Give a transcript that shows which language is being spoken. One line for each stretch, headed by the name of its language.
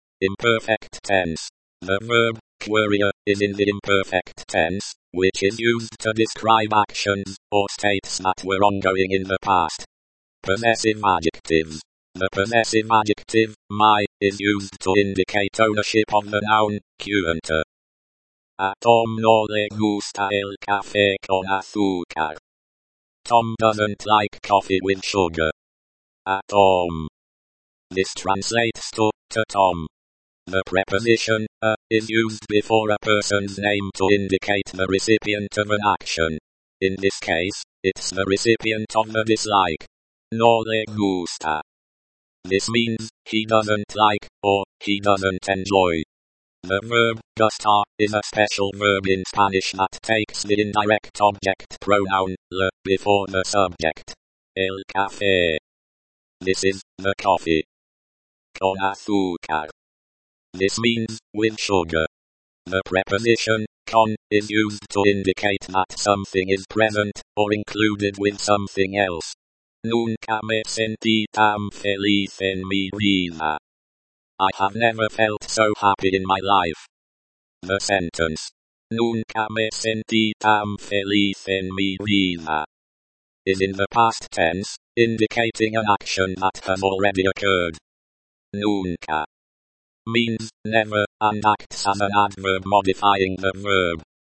English: Imperfect tense. The verb, querer, is in the imperfect tense, which is used to describe actions, or states that were ongoing in the past. Possessive adjectives. The possessive adjective, my, is used to indicate ownership of the noun, cuenta.
Spanish: A Tom no le gusta el café con azúcar.
English: Tom doesn't like coffee with sugar. A Tom. This translates to Tom. The preposition, a, is used before a person's name to indicate the recipient of an action. In this case, it's the recipient of the dislike. No le gusta. This means, he doesn't like, or, he doesn't enjoy. The verb gustar is a special verb in Spanish that takes the indirect object pronoun le before the subject. El café. This is the coffee. Con azúcar. This means with sugar. The preposition con is used to indicate that something is present or included with something else.
Spanish: Nunca me sentí tan feliz en mi vida.
English: I have never felt so happy in my life. The sentence Nunca me sentí tan feliz en mi vida is in the past tense, indicating an action that has already occurred. Nunca means never and acts as an adverb modifying the verb.